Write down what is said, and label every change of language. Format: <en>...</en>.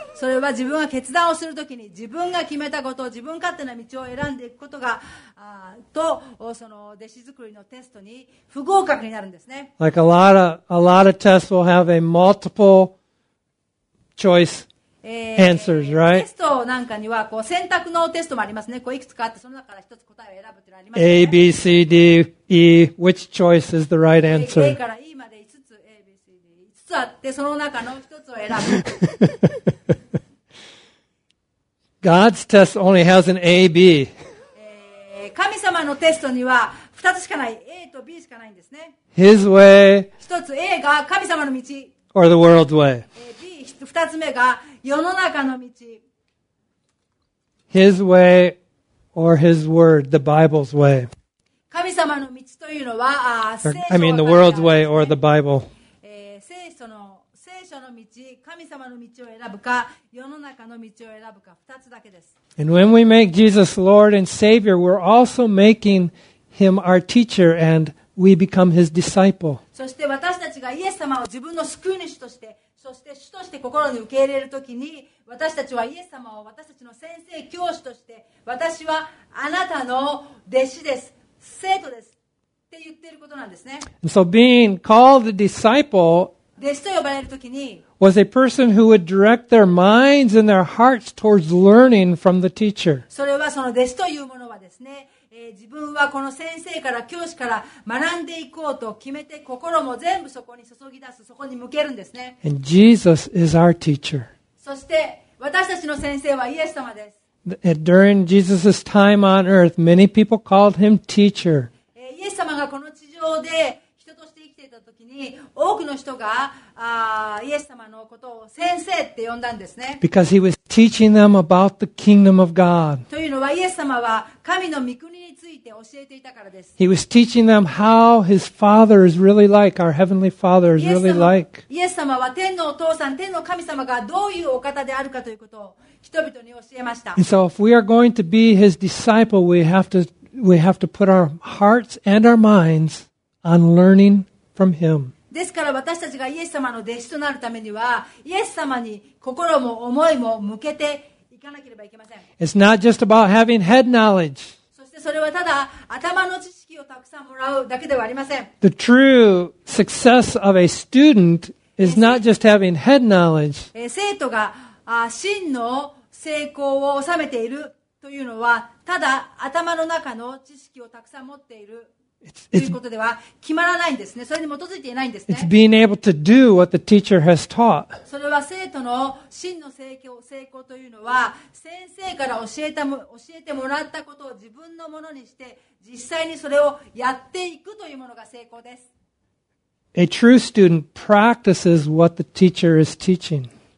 <ja>それは自分が決断をするときに、自分が決めたことを、自分勝手な道を選んでいくことが、とその弟子作りのテストに不合格になるんですね。</ja> <en>Like a lot of tests will have a multiple choice answers, right?</en> <ja>テストなんかにはこう選択のテストもありますね。こういくつかあって、その中から一つ答えを選ぶというのがありますね。</ja> <en>A, B, C, D, E, which choice is the right answer?</en> <ja>A から E まで5つ、 A, B, C, D, 5つあって、その中の1つを選ぶ。</ja> <en>God's test only has an A, B.</en> <ja>神様のテストには2つしかない、 A と B しかないんですね。</ja> <en>His way</en> <ja>1つ A が神様の道、</ja> <en>or the world's way</en> <ja>2つ目が世の中の道。</ja> <en>His way or His word, the Bible's way.</en> <ja>神様の道というのは、</ja> <en>the world's way or the Bible.</en> <ja>聖書の道、神様の道を選ぶか、世の中の道を選ぶか、2つだけです。</ja> <en>And when we make Jesus Lord and Savior, we're also making Him our teacher and we become His disciple.</en> <ja>そして私たちがイエス様を自分の救い主として、そして主として心に受け入れるときに、私たちはイエス様を私たちの先生、教師として、私はあなたの弟子です、生徒ですって言っていることなんですね。</ja> <en>So being called a disciple</en> <ja>弟子と呼ばれるときに</ja> <en>was a person who would direct their minds and their hearts towards learning from the teacher.</en> <ja>それはその弟子というものはですね、自分はこの先生から教師から学んでいこうと決めて心も全部そこに注ぎ出す、そこに向けるんですね。</ja> <en>And Jesus is our teacher.</en> <ja>そして私たちの先生はイエス様です。</ja> <en>During Jesus' time on earth, many people called him teacher.</en> <ja>イエス様がこの地上で人として生きていた時に多くの人がイエス様のことを先生って呼んだんですね。</ja> <en>Because he was teaching them about the kingdom of God.</en> <ja>というのはイエス様は神の御国について教えていたからです。</ja> <en>He was teaching them how his father is really like, our heavenly father is really like.</en> <ja>イエス様は天のお父さん、天の神様がどういうお方であるかということを人々に教えました。</ja> <en>And so if we are going to be his disciple, we have to put our hearts and our minds on learning from him.</en> <ja>ですから私たちがイエス様の弟子となるためには、イエス様に心も思いも向けていかなければいけません。</ja> <en>It's not just about having head knowledge.</en> <ja>そしてそれはただ頭の知識をたくさんもらうだけではありません。</ja> <en>The true success of a student is not just having head knowledge.</en> <ja>生徒が真の成功を収めているというのは、ただ頭の中の知識をたくさん持っているということでは決まらないんですね。それに基づいていないんですね。</ja> <en>It's being able to do what the teacher has taught.</en> <ja>それは生徒の真の成功というのは、先生から教えてもらったことを自分のものにして、実際にそれをやっていくというものが成功です。</ja> <en>A true student practices what the teacher is teaching.</en>